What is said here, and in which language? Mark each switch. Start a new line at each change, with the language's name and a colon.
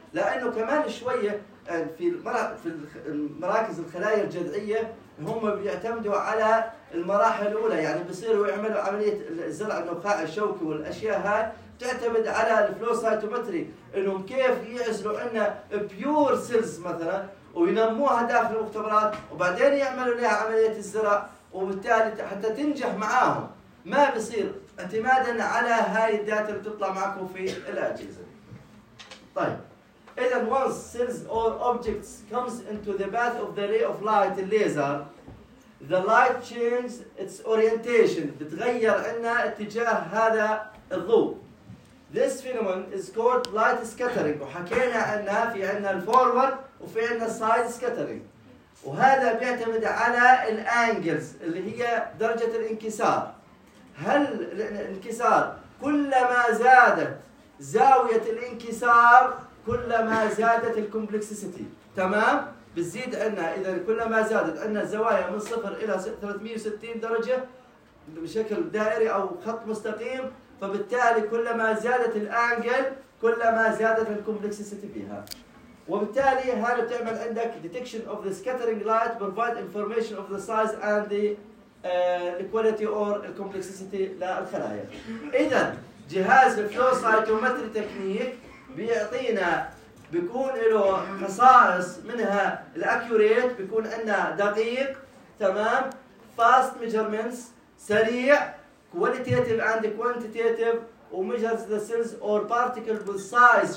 Arabic: لأنه كمان شوية في مراكز الخلايا الجذعية هم بيعتمدوا على المراحل الأولى، يعني بيصيروا يعملوا عملية زرع النخاع الشوكي والأشياء هاي، تعتمد على الفلو سايتومتري إنهم كيف يعزلوا عنا بيور سيلز مثلا وينموها داخل المختبرات وبعدين يعملوا لها عملية الزرع، وبالتالي حتى تنجح معاهم ما بيصير اعتمادا على هاي الداتا اللي بتطلع معكم في الأجهزة. طيب، إذا
English: once cells or objects comes into the path of the ray of light laser, the light changes its orientation.
Arabic: بتغير عنا اتجاه هذا الضوء.
English: This phenomenon is called light scattering.
Arabic: وحكينا عنها، في عنا forward وفي عنا side scattering. وهذا بيعتمد على الأنجلز اللي هي درجة الانكسار. هل الانكسار كلما زادت زاوية الانكسار كلما زادت الكومبلكسيتي، تمام؟ بتزيد عندنا اذا كلما زادت عندنا الزوايا من 0 الى 360 درجة بشكل دائري او خط مستقيم، فبالتالي كلما زادت الانجل كلما زادت الكومبلكسيتي فيها. وبالتالي هنا بتعمل عندك
English: detection of the scattering light provide information of the size and the quality or complexity
Arabic: للخلايا. إذا جهاز الفلو سايتومتري تكنيك بيعطينا بيكون له خصائص، منها الأكيوريت بيكون عنده دقيق، تمام،
English: fast measurements
Arabic: سريع،
English: qualitative and quantitative،
Arabic: و
English: measures the cells or particle with size.